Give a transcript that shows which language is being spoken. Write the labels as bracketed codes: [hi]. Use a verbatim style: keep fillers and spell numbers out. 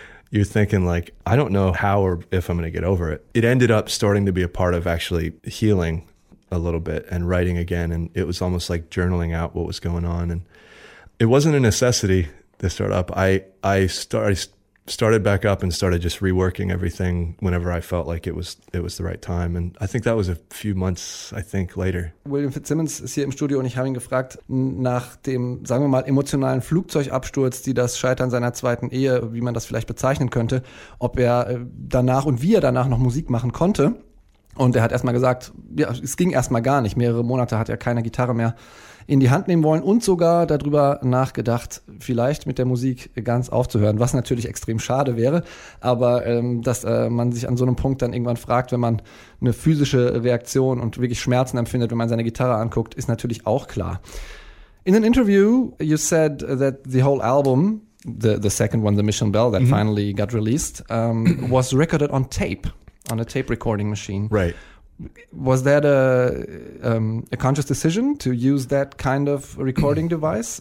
[en] You're thinking like, I don't know how or if I'm going to get over it. It ended up starting to be a part of actually healing a little bit and writing again. And it was almost like journaling out what was going on. And it wasn't a necessity to start up. I, I started, started back up and started just reworking everything whenever I felt like it was, it was the right time. And I think that was a few months, I think, later. [de] William Fitzsimmons ist hier im Studio und ich habe ihn gefragt, nach dem, sagen wir mal, emotionalen Flugzeugabsturz, die das Scheitern seiner zweiten Ehe, wie man das vielleicht bezeichnen könnte, ob er danach und wie er danach noch Musik machen konnte. Und er hat erstmal gesagt, ja, es ging erstmal gar nicht. Mehrere Monate hat er keine Gitarre mehr in die Hand nehmen wollen und sogar darüber nachgedacht, vielleicht mit der Musik ganz aufzuhören, was natürlich extrem schade wäre, aber ähm, dass äh, man sich an so einem Punkt dann irgendwann fragt, wenn man eine physische Reaktion und wirklich Schmerzen empfindet, wenn man seine Gitarre anguckt, ist natürlich auch klar. [en] In an interview, you said that the whole album, the, the second one, the Mission Bell, that mm-hmm. finally got released, um, was recorded on tape, on a tape recording machine. Right. Was that a, um, a conscious decision to use that kind of recording device?